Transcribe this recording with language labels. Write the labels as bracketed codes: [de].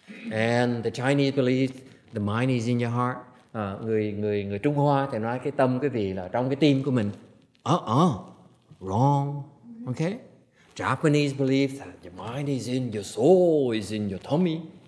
[en] And the Chinese believe the mind is in your heart. [vi] Người Trung Hoa thì nói cái tâm quý vị là trong cái tim của mình. [en] Wrong. Okay? Japanese believe that your mind is in your soul, is in your tummy.